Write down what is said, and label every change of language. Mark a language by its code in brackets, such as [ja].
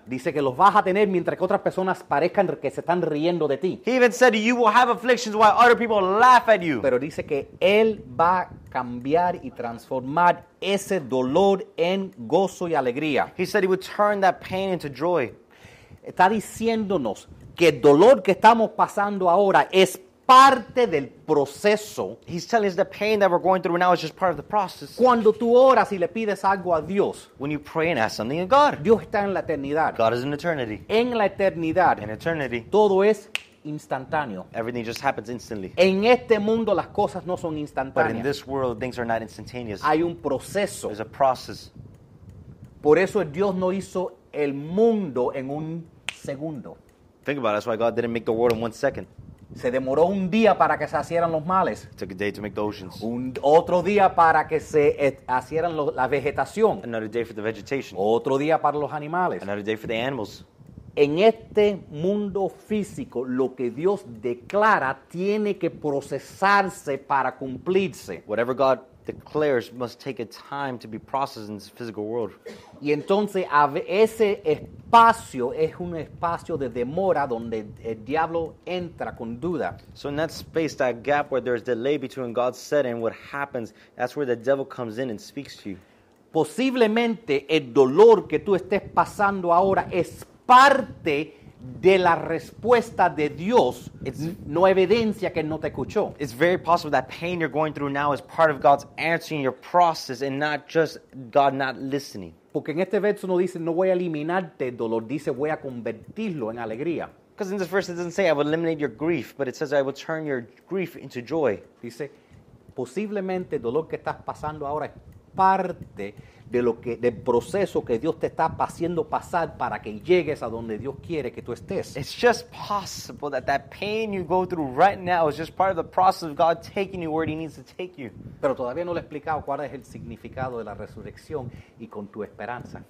[es] Dice que los vas a tener mientras que otras personas parezcan que se están riendo de ti. [en] He even said you will have afflictions while other people laugh at you. [es] Pero dice que él va a cambiar y transformar ese dolor en gozo y alegría. [en] He said he would turn that pain into joy. [es] Está diciéndonos que el dolor que estamos pasando ahora es parte del proceso. [en] He's telling us the pain that we're going through now is just part of the process. [es] Cuando tú oras y le pides algo a Dios, [en] when you pray and ask something of God, [es] Dios está en la eternidad. [en] God is in eternity. [es] En la eternidad, [en] in eternity, [es] todo es instantáneo. [en] Everything just happens instantly. [es] En este mundo las cosas no son instantáneas. [en] But in this world, things are not instantaneous. [es] Hay un proceso. [en] There's a process. [es] Por eso Dios no hizo el mundo en un segundo. [en] Think about it. That's why God didn't make the world in 1 second. [es] Se demoró un día para que se hicieran los males. [en] It took a day to make the oceans. [es] Otro día para que se hicieran la vegetación. [en] Another day for the vegetation. [es] Otro día para los animales. [en] Another day for the animals. [es] En este mundo físico, lo que Dios declara tiene que procesarse para cumplirse. [en] Whatever God declares must take a time to be processed in this physical world. [es] Y entonces ese espacio es un espacio de demora donde el diablo entra con duda. [en] So in that space, that gap where there's delay between God's said and what happens, that's where the devil comes in and speaks to you. [es] Posiblemente el dolor que tú estés pasando ahora es parte de la respuesta de Dios. No evidencia que no te escuchó. [en] It's very possible that pain you're going through now is part of God's answering your process and not just God not listening. [es] Porque en este verso no dice no voy a eliminarte el dolor, dice voy a convertirlo en alegría. [en] Because in this verse it doesn't say I will eliminate your grief, but it says I will turn your grief into joy. [es] Dice posiblemente el dolor que estás pasando ahora es parte de lo que, del proceso que Dios te está haciendo pasar para que llegues a donde Dios quiere que tú estés. [en] It's just possible that that pain you go through right now is just part of the process of God taking you where he needs to take you. [es] Pero todavía no le he explicado cuál es el significado de la resurrección y con tu esperanza.